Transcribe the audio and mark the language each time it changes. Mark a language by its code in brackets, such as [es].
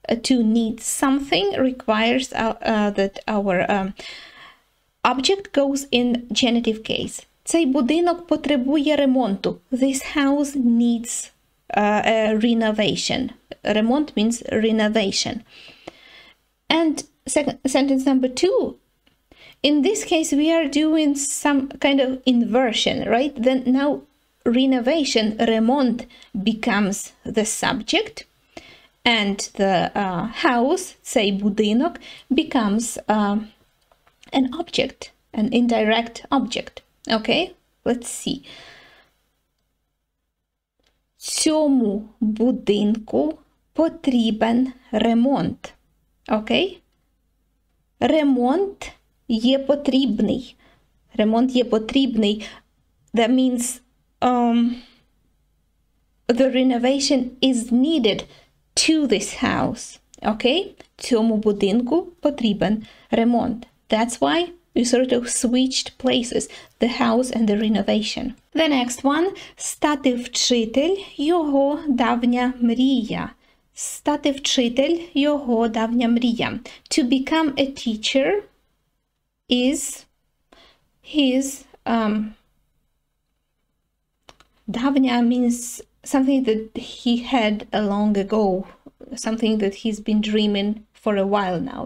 [en] To need something requires that our object goes in genitive case. [uk] Цей будинок потребує ремонту. [en] This house needs a renovation. Ремонт means renovation. And sentence number two. In this case, we are doing some kind of inversion, right? Then now renovation, ремонт, becomes the subject. And the house, say будинок, becomes an object, an indirect object. Okay, let's see. [uk] Цьому будинку потрібен ремонт. Okay? Ремонт є потрібний. Ремонт є потрібний. [en] That means the renovation is needed to this house, okay? Цьому будинку потрібен ремонт. That's why we sort of switched places, the house and the renovation. The next one, [uk] стати вчитель його давня мрія. Стати вчитель його давня мрія. [en] To become a teacher is his давня means something that he had long ago. Something that he's been dreaming for a while now.